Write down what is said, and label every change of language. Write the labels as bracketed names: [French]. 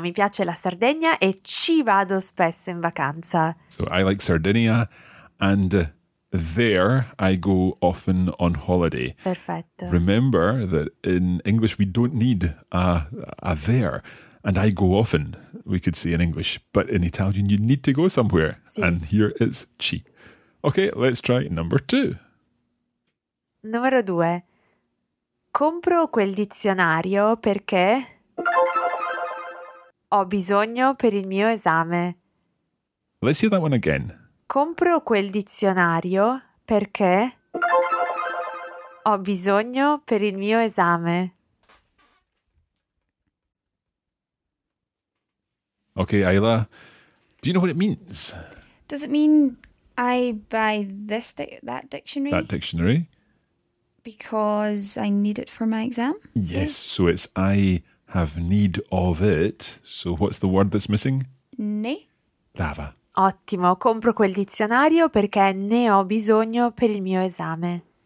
[Italian] Mi piace la Sardegna e ci vado spesso in vacanza. [English] So I like Sardinia and there I go often on holiday. [Italian] Perfetto. [English] Remember that in English we don't need a there. And I go often, we could say in English. But in Italian, you need to go somewhere. [Italian] Sì. [English] And here it's ci. Okay, let's try number two. [Italian] Numero due. Compro quel dizionario perché ho bisogno per il mio esame. [English] Let's hear that one again. [Italian] Compro quel dizionario perché ho bisogno per il mio esame. [English] Okay, Ayla, do you know what it means? Does it mean I buy this that dictionary? That dictionary. Because I need it for my exam? Yes, so it's I have need of it. So what's the word that's missing? [Italian] Ne. Brava. Ottimo, compro quel dizionario perché ne ho bisogno per il mio esame.